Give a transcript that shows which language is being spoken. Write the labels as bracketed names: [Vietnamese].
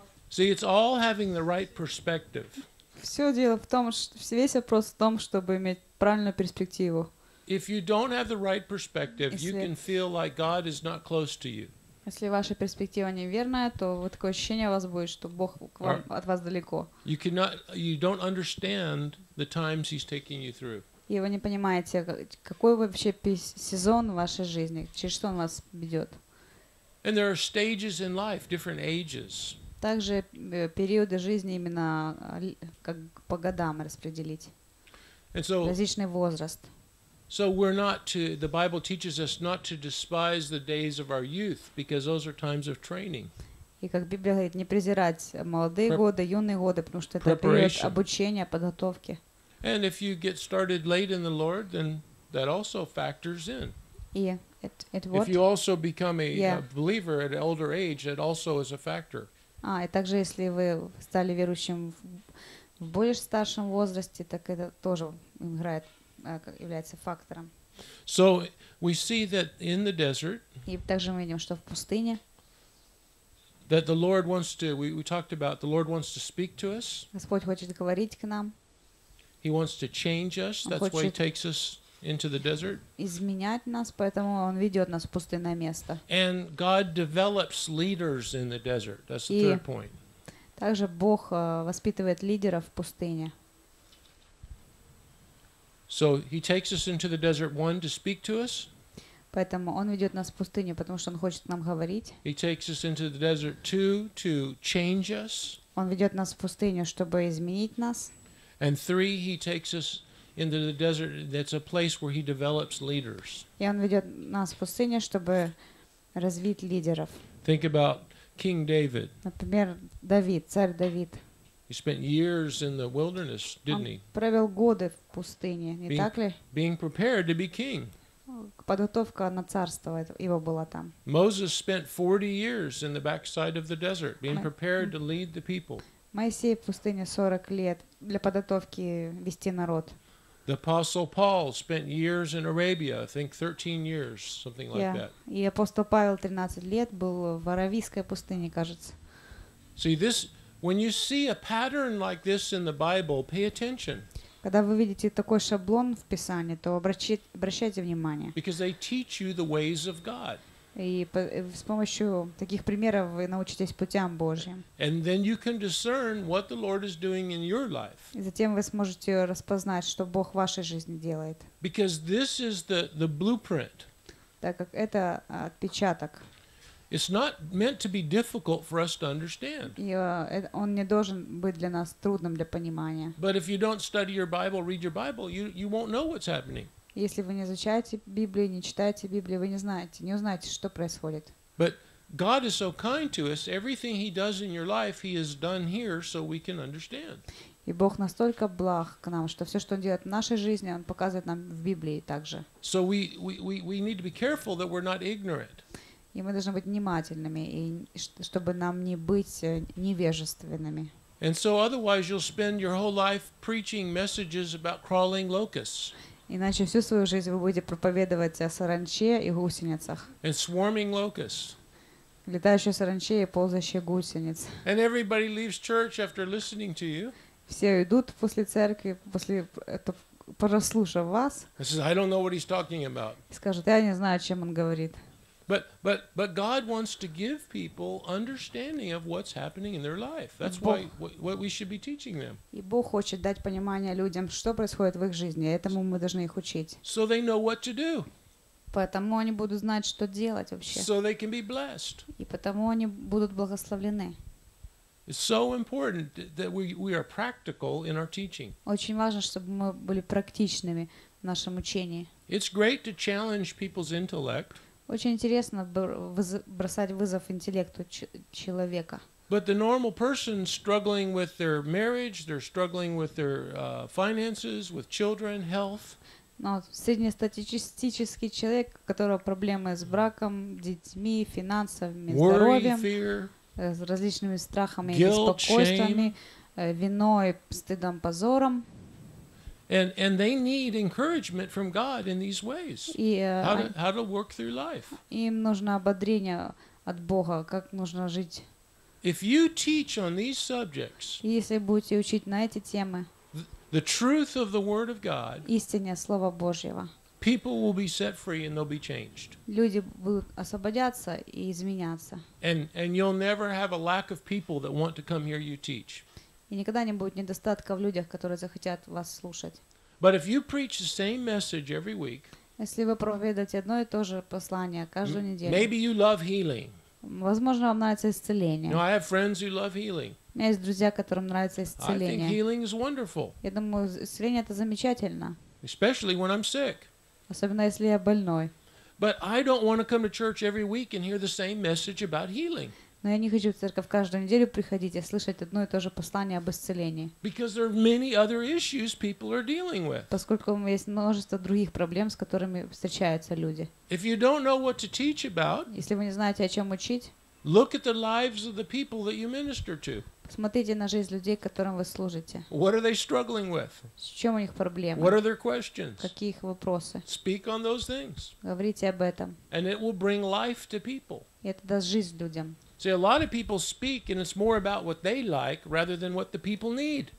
[English] See, it's all having the right perspective. [Russian] Все дело в том, весь вопрос в том, чтобы иметь правильную перспективу. [English] If you don't have the right perspective, you can feel like God is not close to you. [Russian] Если ваша перспектива неверная, то вот такое ощущение у вас будет, что Бог к вам, от вас далеко. [English] You don't understand the times he's taking you through. [Russian] И вы не понимаете, какой вообще сезон в вашей жизни, через что он вас ведет. [English] And there are stages in life, different ages. [Russian] Также периоды жизни именно как по годам распределить. Различный возраст. [English] So we're not to, the Bible teaches us not to despise the days of our youth, because those are times of training. [Russian] И как Библия говорит, не презирать молодые годы, юные годы, потому что это период обучения, подготовки. [English] And if you get started late in the Lord, then that also factors in. If you also become a believer at an older age, it also is a factor. [Russian] А, и также если вы стали верующим в более старшем возрасте, так это тоже играет. Является фактором. [English] So we see that in the desert. [Russian] И также мы видим, что в пустыне. [English] That the Lord wants to. We talked about the Lord wants to speak to us. [Russian] Господь хочет говорить к нам. [English] He wants to change us. That's why he takes us into the desert. [Russian] Изменять нас, поэтому он ведет нас в пустынное место. [English] And God develops leaders in the desert. That's the third point. [Russian] Также Бог воспитывает лидеров в пустыне. [English] So he takes us into the desert one to speak to us. [Russian] Поэтому он ведет нас в пустыню, потому что он хочет нам говорить. [English] He takes us into the desert two to change us. [Russian] Он ведет нас в пустыню, чтобы изменить нас. [English] And three, he takes us into the desert. That's a place where he develops leaders. [Russian] И он ведет нас в пустыню, чтобы развить лидеров. [English] Think about King David. [Russian] Например, Давид, царь Давид. [English] He spent years in the wilderness, didn't he? [Russian] Он провел годы в пустыне, не так ли? [English] Being prepared to be king. [Russian] Подготовка на царство его была там. [English] Moses spent 40 years in the backside of the desert, being prepared to lead the people. [Russian] Моисей в пустыне 40 лет для подготовки вести народ. [English] The apostle Paul spent years in Arabia, I think 13 years, something like that. [Russian] И апостол Павел 13 лет был в Аравийской пустыне, кажется. [English] See this. When you see a pattern like this in the Bible, pay attention. [Russian] Когда вы видите такой шаблон в Писании, то обращайте внимание. [English] Because they teach you the ways of God. [Russian] И с помощью таких примеров вы научитесь путям Божьим. [English] And then you can discern what the Lord is doing in your life. [Russian] И затем вы сможете распознать, что Бог в вашей жизни делает. [English] Because this is the blueprint. [Russian] Так как это отпечаток. [English] It's not meant to be difficult for us to understand. [Russian] Он не должен быть для нас трудным для понимания. [English] But if you don't study your Bible, read your Bible, you won't know what's happening. [Russian] Если вы не изучаете Библию, не читаете Библию, вы не знаете, не узнаете, что происходит. [English] But God is so kind to us. Everything He does in your life, He has done here, so we can understand. [Russian] И Бог настолько благ к нам, что все, что Он делает в нашей жизни, Он показывает нам в Библии также. [English] So we need to be careful that we're not ignorant. [Russian] И мы должны быть внимательными, и чтобы нам не быть невежественными. [English] And so otherwise you'll spend your whole life preaching messages about crawling locusts. [Russian] Иначе всю свою жизнь вы будете проповедовать о саранче и гусеницах. [English] And swarming locusts. [Russian] Летающие саранчи и ползающие гусеницы. [English] And everybody leaves church after listening to you. [Russian] Все уйдут после церкви, после этого, прослушав вас. [English] And says, I don't know what he's talking about. [Russian] Скажет, я не знаю, о чем он говорит. [English] But God wants to give people understanding of what's happening in their life. That's why what we should be teaching them. [Russian] И Бог хочет дать понимание людям, что происходит в их жизни, этому мы должны их учить. [English] So they know what to do. [Russian] Поэтому они будут знать, что делать вообще. [English] So they can be blessed. [Russian] И потому они будут благословлены. [English] It's so important that we are practical in our teaching. [Russian] Очень важно, чтобы мы были практичными в нашем учении. [English] It's great to challenge people's intellect. [Russian] Очень интересно бросать вызов интеллекту человека. [English] But the normal person struggling with their marriage, they're struggling with their finances, with children, health. [Russian] Но среднестатистический человек, у которого проблемы с браком, детьми, финансовыми, здоровьем, с различными страхами и беспокойствами, виной, стыдом, позором. [English] And they need encouragement from God in these ways. How to work through life. [Russian] Им нужно ободрение от Бога, как нужно жить. [English] If you teach on these subjects, [Russian] если будете учить на эти темы, [English] the truth of the Word of God, [Russian] истина Слова Божьего, [English] people will be set free and they'll be changed. [Russian] Люди будут освободятся и изменяться. [English] And you'll never have a lack of people that want to come hear you teach. [Russian] И никогда не будет недостатка в людях, которые захотят вас слушать. [English] But if you preach the same message every week, [Russian] если вы проповедуете одно и то же послание каждую неделю, [English] maybe you love healing. [Russian] Возможно, вам нравится исцеление. [English] No, I have friends who love healing. [Russian] У меня есть друзья, которым нравится исцеление. [English] I think healing is wonderful. [Russian] Я думаю, исцеление это замечательно. [English] Especially when I'm sick. [Russian] Особенно если я больной. [English] But I don't want to come to church every week and hear the same message about healing. [Russian] Но я не хочу в церковь каждую неделю приходить и слышать одно и то же послание об исцелении. [English] Because there are many other issues people are dealing with. [Russian] Поскольку есть множество других проблем, с которыми встречаются люди. [English] If you don't know what to teach about, [Russian] если вы не знаете, о чем учить, [English] look at the lives of the people that you minister to. [Russian] Посмотрите на жизнь людей, которым вы служите. [English] What are they struggling with? [Russian] С чем у них проблемы? [English] What are their questions? [Russian] Какие их вопросы? [English] Speak on those things. [Russian] Говорите об этом. [English] And it will bring life to people. [Russian] И это даст жизнь людям. [English] See, a lot of people speak, and it's more about what they like rather than what the people need.